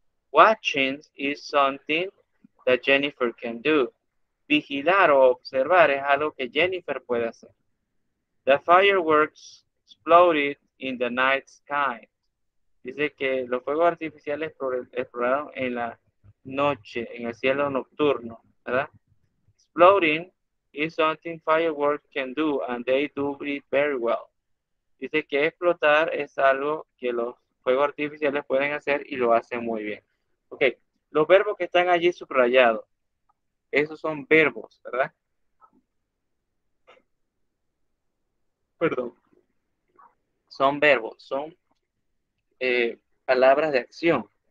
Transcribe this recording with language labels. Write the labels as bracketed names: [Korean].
[English] Watching is something that Jennifer can do. [Spanish] Vigilar o observar es algo que Jennifer puede hacer. [English] The fireworks exploded in the night sky. [Spanish] Dice que los fuegos artificiales exploraron en la noche, en el cielo nocturno, ¿verdad? [English] Exploding is something fireworks can do and they do it very well. [Spanish] Dice que explotar es algo que los fuegos artificiales pueden hacer y lo hacen muy bien. Ok, los verbos que están allí subrayados, esos son verbos, ¿verdad? Perdón. Son verbos, son palabras de acción.